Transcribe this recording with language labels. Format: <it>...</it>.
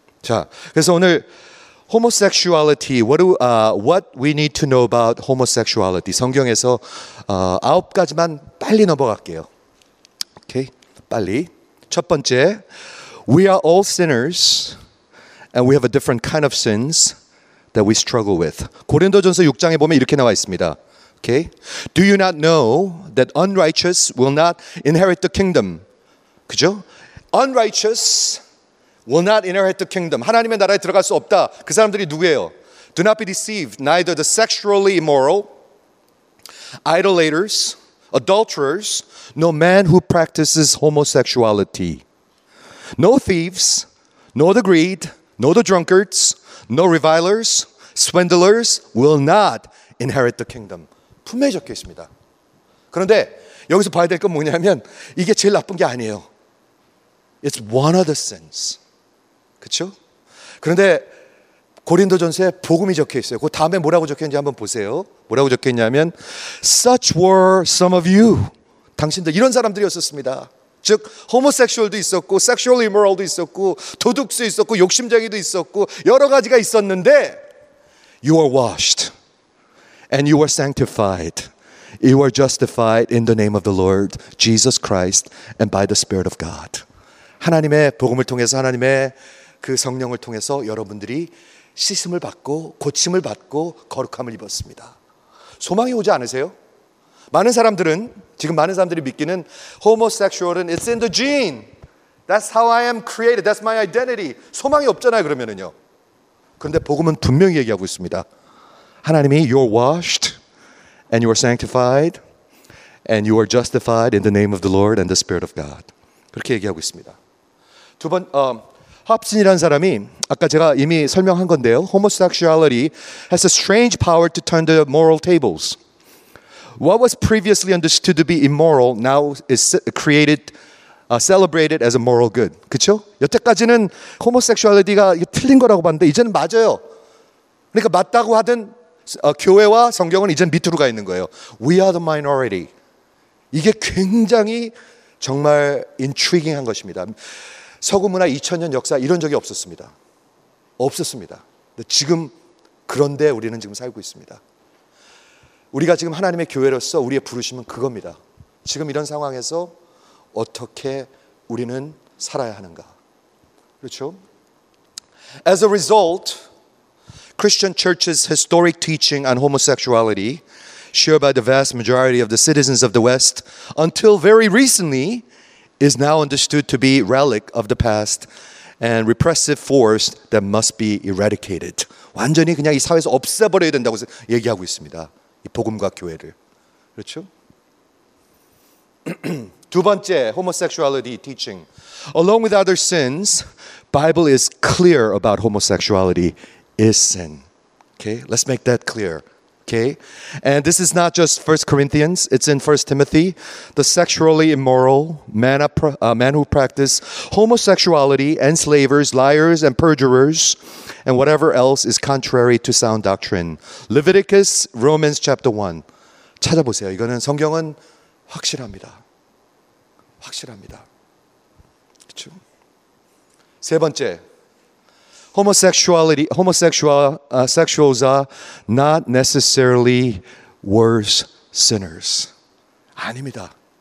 <ko>자, 그래서 오늘</ko> <en>homosexuality, what we need to know about homosexuality.</en> <ko>성경에서 아홉 가지만 빨리 넘어갈게요. 오케이, 빨리. 첫 번째,</ko> <en>we are all sinners and we have a different kind of sins that we struggle with.</en> <ko>고린도전서 6장에 보면 이렇게 나와 있습니다.</ko> <en>Okay. Do you not know that unrighteous will not inherit the kingdom?</en> <ko>그죠?</ko> <en>Unrighteous will not inherit the kingdom.</en> <ko>하나님의 나라에 들어갈 수 없다. 그 사람들이 누구예요?</ko> <en>Do not be deceived. Neither the sexually immoral, idolaters, adulterers, nor man who practices homosexuality. No thieves, nor the greed, nor the drunkards, nor revilers, swindlers will not inherit the kingdom.</en> <ko>품에 적혀 있습니다. 그런데 여기서 봐야 될 건 뭐냐면 이게 제일 나쁜 게 아니에요.</ko> <en>It's one of the sins.</en> <ko>그렇죠? 그런데 고린도전서에 복음이 적혀 있어요. 그 다음에 뭐라고 적혀 있는지 한번 보세요. 뭐라고 적혀 있냐면</ko> <en>Such were some of you.</en> <ko>당신들 이런 사람들이었었습니다. 즉 homosexual도 있었고 sexual immoral도 있었고 도둑수 있었고 욕심쟁이도 있었고 여러 가지가 있었는데</ko> <en>You are washed. And you were sanctified. You were justified in the name of the Lord Jesus Christ and by the Spirit of God.</en> <ko>하나님의 복음을 통해서 하나님의 그 성령을 통해서 여러분들이 씻음을 받고 고침을 받고 거룩함을 입었습니다. 소망이 오지 않으세요? 많은 사람들은 지금 많은 사람들이 믿기는 homosexual은</ko> <en>it's in the gene. That's how I am created. That's my identity.</en> <ko>소망이 없잖아요, 그러면은요. 그런데 복음은 분명히 얘기하고 있습니다. 하나님이</ko> <en>you're washed and you're sanctified and you are justified in the name of the Lord and the Spirit of God.</en> <ko>그렇게 얘기하고 있습니다. 두 번, 합신이라는 사람이 아까 제가 이미 설명한 건데요.</ko> <en>Homosexuality has a strange power to turn the moral tables. What was previously understood to be immoral now is created, celebrated as a moral good.</en> <ko>그렇죠? 여태까지는 homosexuality가 틀린 거라고 봤는데 이제는 맞아요. 그러니까 맞다고 하든 교회와 성경은 이제 밑으로 가 있는 거예요.</ko> <en>We are the minority.</en> <ko>이게 굉장히 정말 intriguing한 것입니다. 서구 문화 2000년 역사 이런 적이 없었습니다. 없었습니다. 근데 지금 그런데 우리는 지금 살고 있습니다. 우리가 지금 하나님의 교회로서 우리의 부르심은 그겁니다. 지금 이런 상황에서 어떻게 우리는 살아야 하는가. 그렇죠?</ko> <en>As a result, Christian Church's historic teaching on homosexuality, shared by the vast majority of the citizens of the West, until very recently, is now understood to be a relic of the past and repressive force that must be eradicated.</en> <ko>완전히 그냥 이 사회에서 없애버려야 된다고 얘기하고 있습니다. 이 복음과 교회를. 그렇죠? 두 번째, homosexuality teaching.</ko> <en>Along with other sins, Bible is clear about homosexuality. Is sin. Okay, let's make that clear. Okay, and this is not just 1 Corinthians, it's in 1 Timothy. The sexually immoral, man who practice homosexuality, enslavers, liars, and perjurers, and whatever else is contrary to sound doctrine. Leviticus, Romans chapter 1.</en> <ko>찾아보세요. 이거는 성경은 확실합니다. 확실합니다. 그쵸? 세 번째.</ko> <en>Homosexuals are not necessarily worse sinners.</en> <ko>아닙니다.</ko>